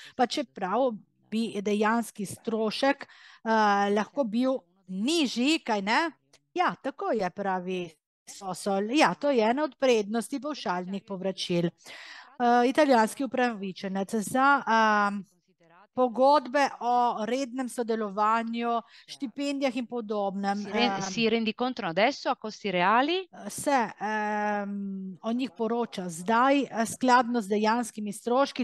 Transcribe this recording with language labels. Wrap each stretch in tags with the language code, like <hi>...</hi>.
<sl>Pa čeprav bi dejanski strošek lahko bil nižji, kaj ne? Ja, tako je, pravi Sosol. Ja, to je ena od prednosti pavšalnih povračil. Italijanski upravičenec za pogodbe o rednem sodelovanju, štipendijah in podobnem.</sl> <it>Si rendi conto adesso a costi reali?</it> <sl>Se o njih poroča zdaj, skladno z dejanskimi stroški.</sl>